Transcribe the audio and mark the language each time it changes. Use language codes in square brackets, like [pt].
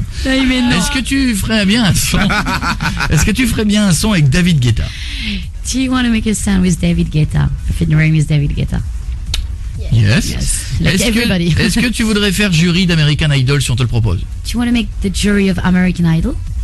[fr] Est-ce que tu ferais bien un son? Est-ce que tu ferais bien un son avec David Guetta? [en] Do you want to make a sound with David Guetta? If your name is David Guetta. Yes. Yes. Yes. Like everybody. [fr] Est-ce que tu voudrais faire jury d'American Idol si on te le propose? [en] Do you want to make the jury of American Idol?